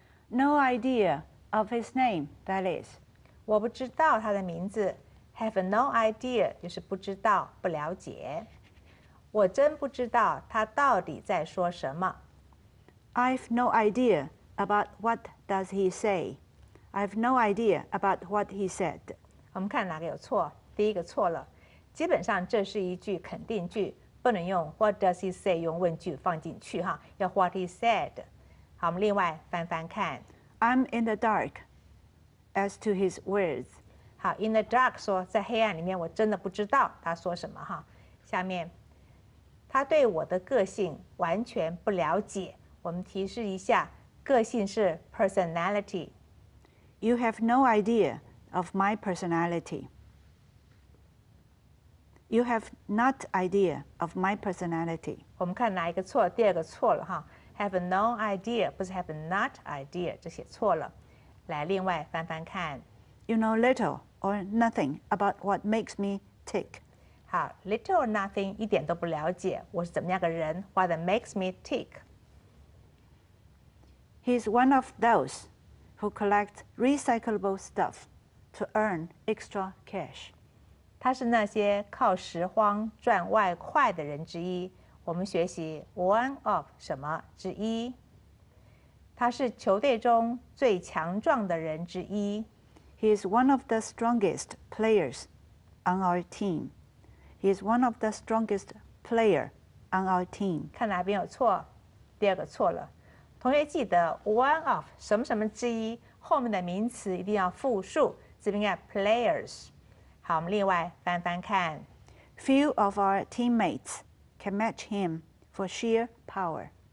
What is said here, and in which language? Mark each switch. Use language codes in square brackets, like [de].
[en] No idea of his name, that is. [zh] 我不知道他的名字。 [en] Have no idea [zh] 就是不知道、不了解。我真不知道他到底在说什么。 [en] I've no idea about what does he say. I've no idea about what he said. [zh] 我们看哪个有错？第一个错了。基本上这是一句肯定句，不能用 [en] what does he say [zh] 用问句放进去哈，要 [en] what he said。 [zh] 好，我们另外翻翻看。 [en] I'm in the dark as to his words. [zh] 好 ， [en] in the dark [zh] 说在黑暗里面，我真的不知道他说什么哈。下面，他对我的个性完全不了解。我们提示一下，个性是 personality。 [en] You have no idea of my personality. You have not idea of my personality. [zh] 我们看哪一个错？第二个错了哈。 [en] Have no idea, [zh] 不是 [en] have not idea, [zh] 这写错了。来另外翻翻看。 [en] You know little or nothing about what makes me tick. [zh] 好 , [en] little or nothing, [zh] 一点都不了解我是怎么样个人 , [en] what makes me tick. He's one of those who collect recyclable stuff to earn extra cash. [zh] 他是那些靠拾荒赚外快的人之一。我们学习 one of 什么之一。他是球队中最强壮的人之一。 [en] He is one of the strongest players on our team. He is one of the strongest player on our team. [zh] 看哪边有错，第二个错了。同学记得 one of 什么什么之一，后面的名词一定要复数，这边要 players。好，我们另外翻翻看。 [en] Few of our teammates. Can match him for sheer power.